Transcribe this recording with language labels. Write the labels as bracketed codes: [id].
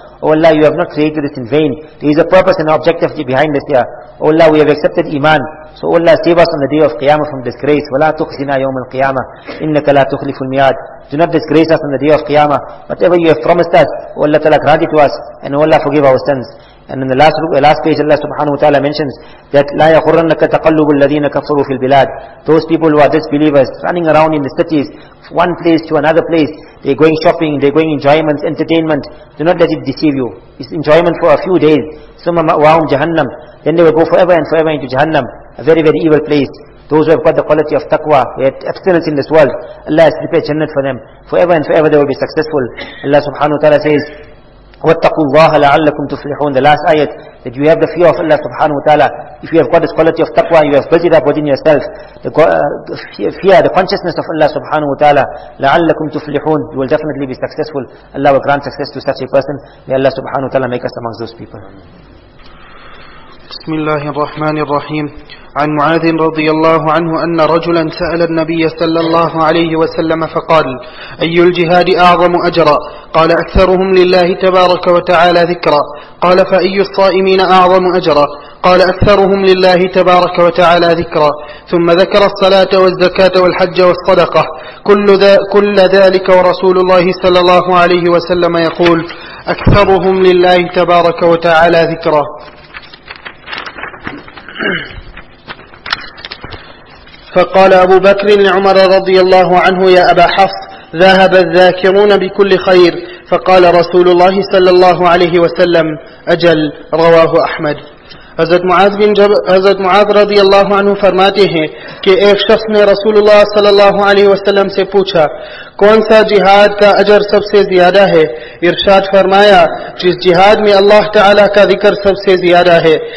[en] Oh Allah, you have not created this in vain. There is a purpose and objective behind this here. Oh Allah, we have accepted iman. So Allah, save us on the day of Qiyamah from disgrace. [ar] وَلَا تُخْزِنَا يَوْمَ الْقِيَامَةِ إِنَّكَ لَا تُخْلِفُ الْمِيَادِ. [en] Do not disgrace us on the day of Qiyamah. Whatever you have promised us, O Allah Ta'ala grant it to us, and O Allah forgive our sins. And in the last page, Allah Subhanahu Wa Ta'ala mentions that [ar] لا يخرنك تقلب الذين كفروا في البلاد. [en] Those people who are disbelievers, running around in the cities, from one place to another place, they're going shopping, they're going enjoyments, entertainment. Do not let it deceive you. It's enjoyment for a few days. [ar] ثم مأواهم جهنم. [en] Then they will go forever and forever into Jahannam, a very, very evil place. Those who have got the quality of taqwa, they had abstinence in this world, Allah has prepared jannat for them. Forever and forever they will be successful. Allah subhanahu wa ta'ala says, [ar] وَاتَّقُوا اللَّهَ لَعَلَّكُمْ تُفْلِحُونَ. [en] The last ayat, that you have the fear of Allah subhanahu wa ta'ala. If you have got this quality of taqwa, you have built it up within yourself. The fear, the consciousness of Allah subhanahu wa ta'ala, [ar] لَعَلَّكُمْ تُفْلِحُونَ. [en] You will definitely be successful. Allah will grant success to such a person. May Allah subhanahu wa ta'ala make us among those people. [ar] بسم الله الرحمن الرحيم. عن معاذ رضي الله عنه أن رجلا سأل النبي صلى الله عليه وسلم فقال أي الجهاد أعظم أجرا؟ قال أكثرهم لله تبارك وتعالى ذكرا. قال فأي الصائمين أعظم أجرا؟ قال أكثرهم لله تبارك وتعالى ذكرا. ثم ذكر الصلاة والزكاة والحج والصدقة كل ذلك. ورسول الله صلى الله عليه وسلم يقول أكثرهم لله تبارك وتعالى ذكرا. فقال أبو بكر لعمر رضي الله عنه يا أبا حفص ذهب الذاكرون بكل خير. فقال رسول الله صلى الله عليه وسلم أجل. رواه أحمد. [ur] حضرت معاذ رضی اللہ عنہ فرماتے ہیں کہ ایک شخص نے رسول اللہ صلی اللہ علیہ وسلم سے پوچھا کون سا جہاد کا اجر سب سے زیادہ ہے؟ ارشاد فرمایا جس جہاد میں اللہ تعالی کا ذکر سب سے زیادہ ہے.